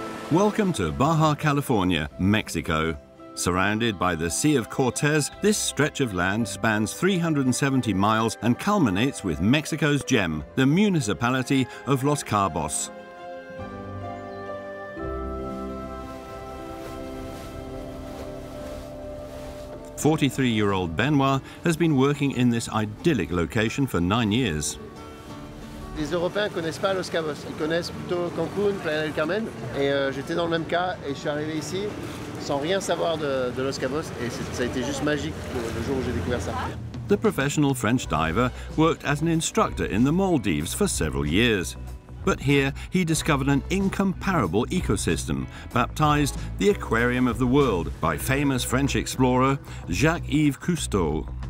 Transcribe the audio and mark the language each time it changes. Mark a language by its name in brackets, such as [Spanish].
[English] Welcome to Baja California, Mexico. Surrounded by the Sea of Cortez, this stretch of land spans 370 miles and culminates with Mexico's gem, the municipality of Los Cabos. ...43-year-old Benoit has been working in this idyllic location for 9 years. [French] Les Européens connaissent pas Los Cabos. Ils connaissent plutôt Cancún, Playa del Carmen. Et j'étais dans le même cas et je suis arrivé ici sans rien savoir de Los Cabos. Et ça a été juste magique le jour où j'ai découvert ça. [English] The professional French diver worked as an instructor in the Maldives for several years. But here, he discovered an incomparable ecosystem, baptized the Aquarium of the World by famous French explorer Jacques-Yves Cousteau.